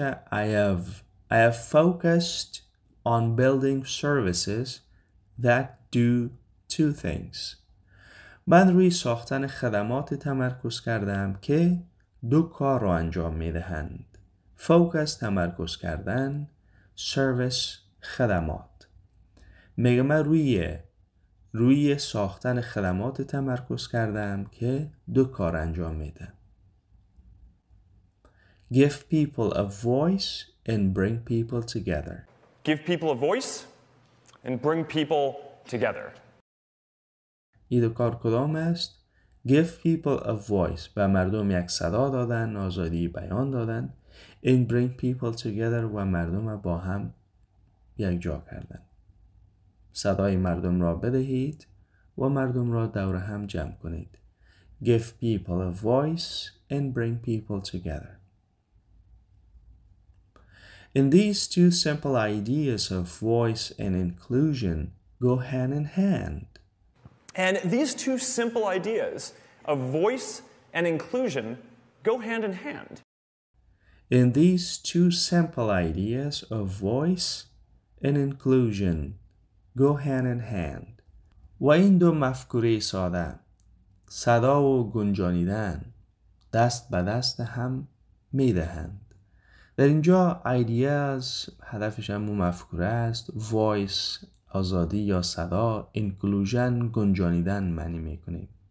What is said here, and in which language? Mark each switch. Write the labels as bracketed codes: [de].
[en] I have focused on building services that do two things. [fa] من روی ساختن خدمات تمرکز کردم که دو کار رو انجام میدهند. Focus تمرکز کردن، service خدمات. میگه من روی ساختن خدمات تمرکز کردم که دو کار انجام میده. [en] Give people a voice and bring people together. Give people a voice and bring people together. [fa] این دو کار کدام است؟ [en] Give people a voice. [fa] به مردم یک صدا دادن، آزادی بیان دادن. [en] And bring people together. [fa] و مردم با هم یک جا کردن. صدای مردم را بدهید و مردم را دور هم جمع کنید. [en] Give people a voice and bring people together. In these two simple ideas of voice and inclusion go hand in hand. And these two simple ideas of voice and inclusion go hand in hand. In these two simple ideas of voice and inclusion go hand in hand. [fa] و این دو مفکوره ساده، صدا و گنجانیدن، دست به دست هم میدهند. در اینجا ideas هدفش هم مفکوره است. Voice آزادی یا صدا، inclusion گنجانیدن معنی میکنیم.